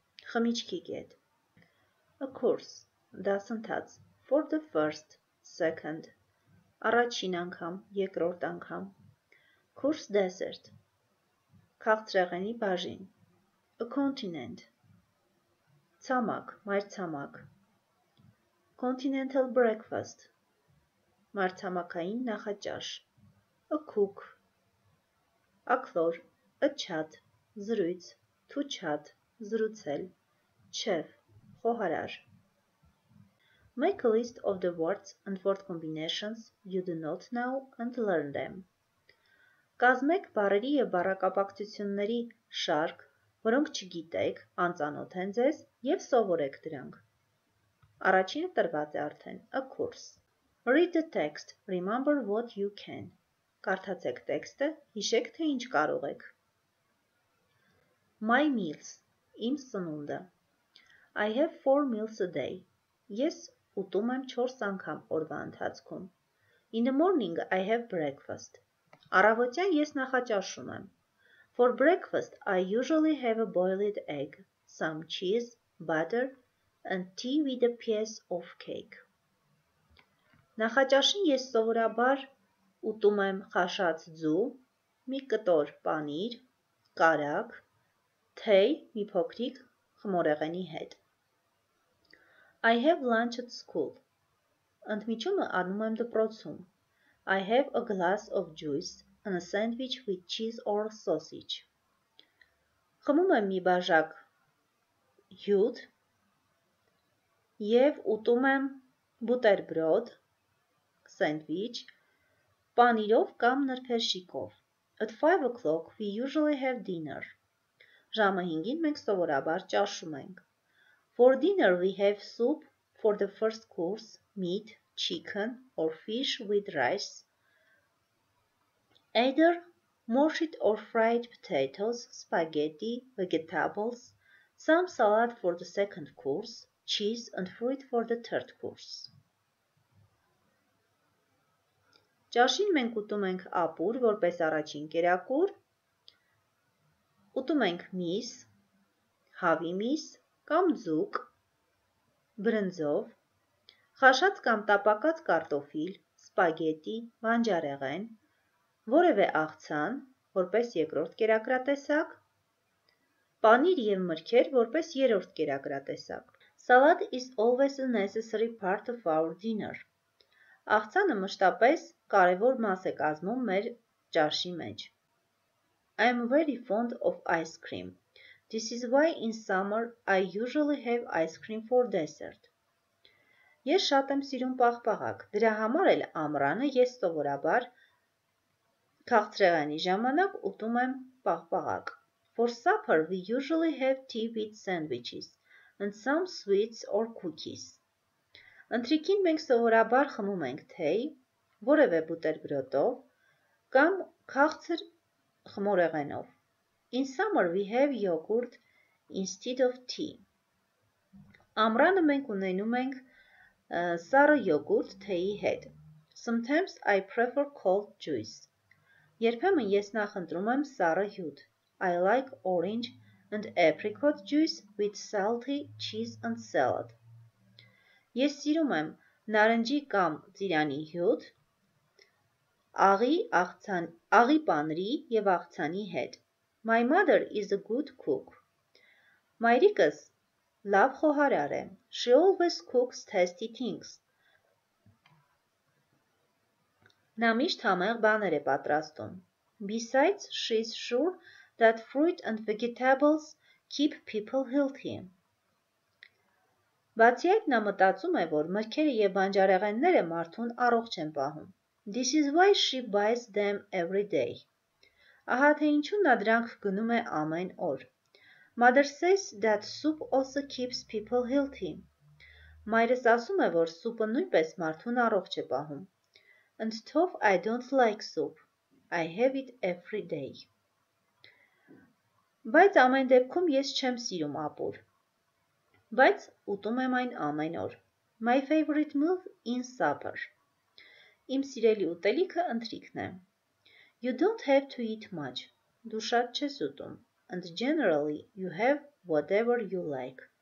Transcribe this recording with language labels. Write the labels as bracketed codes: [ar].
[hy] խմիչքի կետ, [en] a course, [hy] դասընթաց, [en] for the first, second, [hy] առաջին անգամ, երկրորդ անգամ, [en] course dessert, [hy] քաղցրեղենի բաժին, [en] a continent, [hy] ցամաք, մայրցամաք, [en] continental breakfast, [hy] մայրցամաքային նախաճաշ, [en] a cook, a clor, a chat, [hy] զրույց, [en] to chat, [hy] զրուցել, [en] chef, [hy] խոհարար. [en] Make a list of the words and word combinations you do not know and learn them. [hy] Կազմեք բառերի եւ բառակապակցությունների շարք, որոնք չգիտեք, անծանոթ են ձեզ եւ սովորեք դրանք. Առաջինը տրված է արդեն, [en] a course. Read the text, remember what you can. [hy] Կարդացեք տեքստը, հիշեք թե ինչ կարող եք։ [en] My meals. [hy] Իմ սնունդը. [en] I have 4 meals a day. [hy] Ես ուտում եմ 4 անգամ օրվա ընթացքում. [en] In the morning I have breakfast. [hy] Առավոտյան ես նախաճաշ ունեմ. [en] For breakfast I usually have a boiled egg, some cheese, butter and tea with a piece of cake. [hy] Նախաճաշին ես սովորաբար ուտում եմ խաշած ձու, մի կտոր պանիր, կարակ, թեյ մի փոքրիկ խմորեղենի հետ. [en] I have lunch at school. [hy] Ընդմիջումը անում եմ դպրոցում. [en] I have a glass of juice and a sandwich with cheese or sausage. [hy] Խմում եմ մի բաժակ հյութ և ուտում եմ բուտերբրոդ, sandwich, պանիրով կամ նրբերշիկով. [en] At 5 o'clock we usually have dinner. [hy] Ժամը 5-ին մենք սովորաբար ճաշում ենք. [en] For dinner we have soup for the first course, meat, chicken or fish with rice, either mashed or fried potatoes, spaghetti, vegetables, some salad for the second course, cheese and fruit for the third course. [hy] Ճաշին մենք ուտում ենք ապուր որպես առաջին կերակուր, ուտում ենք միս, հավի միս կամ ձուկ, բրնձով, խաշած կամ տապակած կարտոֆիլ, սպագետի, բանջարեղեն, որևէ աղցան որպես երկրորդ կերակրատեսակ, պանիր և մրգեր որպես երրորդ կերակրատեսակ. [en] Salad is always a necessary part of our dinner. [hy] Աղցանը մշտապես կարևոր մաս է կազմում մեր ճաշի մեջ. [en] I am very fond of ice cream. This is why in summer I usually have ice cream for dessert. [hy] Ես շատ եմ սիրում պաղպաղակ, դրա համար էլ ամռանը ես սովորաբար քաղցրեղենի ժամանակ ուտում եմ պաղպաղակ. [en] For supper we usually have tea with sandwiches and some sweets or cookies. [hy] Ընթրիքին մենք սովորաբար խմում ենք թեյ, որևէ բուտերբրոդով կամ քաղցր խմորեղենով. [en] In summer we have yogurt instead of tea. [hy] Ամռանը մենք ունենում ենք սառը յոգուրտ թեյի հետ. [en] Sometimes I prefer cold juice. [hy] Երբեմն ես նախ ընտրում եմ սառը հյութ. [en] I like orange and apricot juice with salty cheese and salad. [hy] Ես սիրում եմ նարնջի կամ ծիրանի հյութ, աղի պանրի և աղցանի հետ. [en] My mother is a good cook. [hy] Մայրիկս լավ խոհարար է. [en] She always cooks tasty things. [hy] Նա միշտ համեղ բաներ է պատրաստում. [en] Besides, she is sure that fruit and vegetables keep people healthy. [hy] Բացի այդ, նա մտածում է, որ մրգերը և բանջարեղենները մարդուն առողջ են պահում. [en] This is why she buys them every day. [hy] Ահա թե ինչու նա դրանք գնում է ամեն օր. [en] Mother says that soup also keeps people healthy. [hy] Մայրս ասում է, որ սուպը նույնպես մարդուն առողջ է պահում. [en] And though I don't like soup, I have it every day. [hy] Բայց ամեն դեպքում ես չեմ սիրում ապուր. Բայց ուտում եմ այն ամեն օր. [en] My favorite meal in supper. [hy] Իմ սիրելի ուտելիքը ընթրիքն է. [en] You don't have to eat much. [hy] Դու շատ չես ուտում. [en] And generally you have whatever you like.